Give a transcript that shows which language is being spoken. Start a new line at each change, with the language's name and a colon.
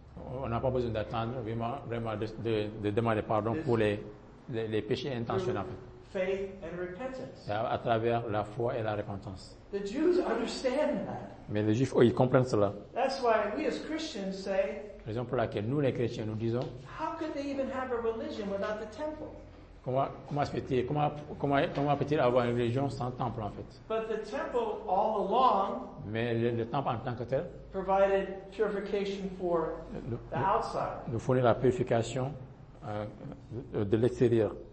French: On n'a pas besoin d'attendre vraiment de demander pardon pour les péchés intentionnels.
English: Faith and repentance.
French: À travers la foi et la repentance.
English: The Jews understand that.
French: Mais les Juifs, ils comprennent cela.
English: That's why we as Christians say.
French: Raison pour laquelle nous les chrétiens nous disons.
English: How could they even have a religion without the temple?
French: Comment peut-il avoir une religion sans temple en fait?
English: But the temple all along.
French: Mais le temple en tant que tel.
English: Provided purification for the outside.
French: Nous fournit la purification de l'extérieur.